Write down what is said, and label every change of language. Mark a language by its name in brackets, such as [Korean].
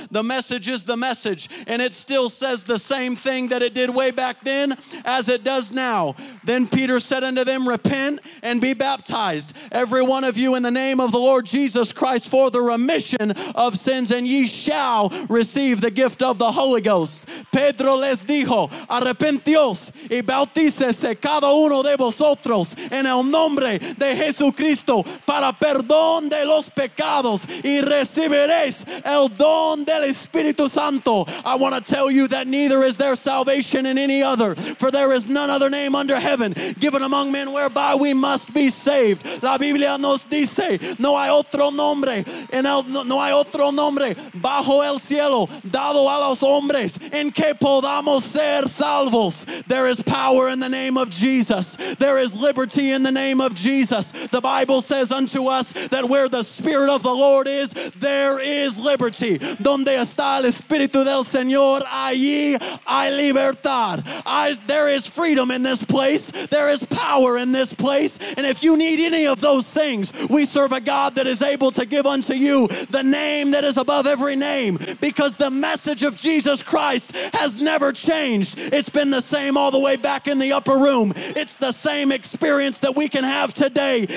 [English] The message is the message. And it still says the same thing that it did way back then as it does now. Then Peter said unto them, "Repent and be baptized, every one of you, in the name of the Lord Jesus Christ for the remission of sins, and ye shall receive the gift of the Holy Ghost." [Spanish] Pedro les dijo, "Arrepentíos y bautícese cada uno de vosotros en el nombre de Jesucristo para perdón de los pecados y recibiréis el don del Espíritu Santo." [English] I want to tell you that neither is there salvation in any other, for there is none other name under heaven given among men whereby we must be saved. [Spanish] La Biblia nos dice, "No hay otro nombre, no hay otro nombre bajo el cielo dado a los hombres en que podamos ser salvos." [English] There is power in the name of Jesus. There is liberty in the name of Jesus. The Bible says unto us that where the Spirit of the Lord is, there is liberty. [Spanish] Donde está el Espíritu del Señor, allí hay libertad. [English] There is freedom in this place. There is power in this place. And if you need any of those things, we serve a God that is able to give unto you the name that is above every name, because the message of Jesus Christ has never changed. It's been the same all the way back in the upper room. It's the same experience that we can have today.